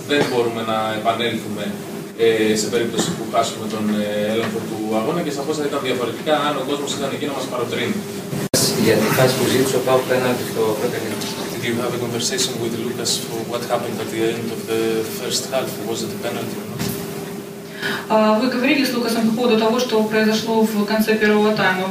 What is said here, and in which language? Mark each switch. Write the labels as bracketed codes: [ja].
[el] Δεν μπορούμε να επανέλθουμε σε περίπτωση που χάσουμε τον έλεγχο του αγώνα και σαφώς θα ήταν διαφορετικά αν ο κόσμος ήταν εκεί να μας παροτρύνει. Για τη φάση που ζήτησε ο Πάου πέναλτι στο πρώτο μήνα. [en] Did you have a conversation with Lucas for what happened at the end of the first half? Was it a penalty? [ru] Вы говорили с Лукасом по поводу того, что произошло в конце первого тайма.